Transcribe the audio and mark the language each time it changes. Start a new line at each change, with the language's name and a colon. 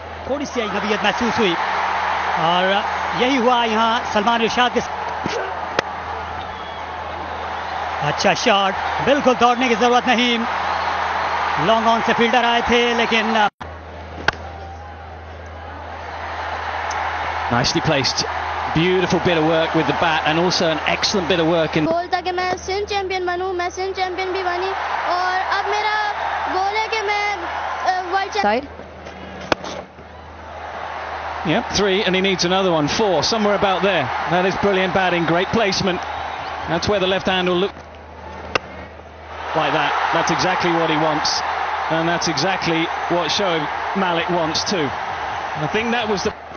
Hindi: थोड़ी सी अजनबियत महसूस हुई और यही हुआ यहां सलमान इरशाद के अच्छा शॉट बिल्कुल दौड़ने की जरूरत नहीं लॉन्ग ऑन से फील्डर आए थे लेकिन
English: Nicely placed, beautiful bit of work with the bat, and also an excellent bit of work in.
Hindi: बोलता कि मैं सिंध चैंपियन बनूं, मैं सिंध चैंपियन भी बनी, और अब मेरा गोल है कि मैं world champion.
English: Side. Yep, three, and he needs another one. Four, somewhere about there. That is brilliant batting, great placement. That's where the left hand will look. Like that. That's exactly what he wants, and that's exactly what Shoaib Malik wants too. And I think that was the.